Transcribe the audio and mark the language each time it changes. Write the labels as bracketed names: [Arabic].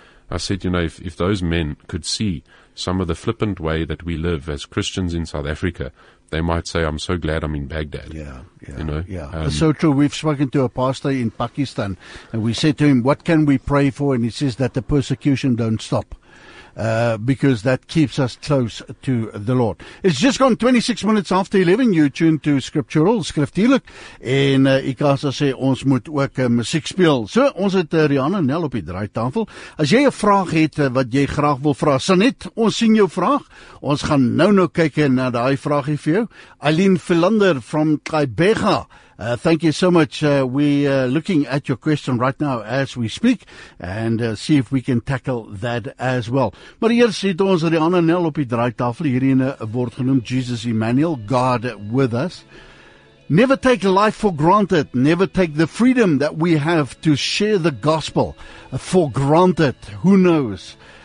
[English] I said, you know, if those men could see some of the flippant way that we live as Christians in South Africa, they might say, I'm so glad I'm in Baghdad. Yeah, you know? Yeah. It's so true. We've spoken to a pastor in Pakistan, and we said to him, what can we pray for? And he says that the persecution don't stop. Because that keeps us close to the Lord. It's just gone 26 minutes after 11. You tune to Scriptural, Skriftelik. [Afrikaans] En ek as sê, ons moet ook musiek speel. So, ons het Rihanna Nel op die draaitafel. As jy 'n vraag het wat jy graag wil vra, Sanet, ons sien jou vraag. Ons gaan nou kyk na die vraagie vir jou. [English] Aileen Philander from Kaibega. Thank you so much. We're looking at your question right now as we speak and see if we can tackle that as well. [Afrikaans] Maar hier sit ons Rihanna Nel op die draaitafel. Hierin word genoemd Jesus Emmanuel, [English] God with us. Never take life for granted. Never take the freedom that we have to share the gospel for granted. Who knows?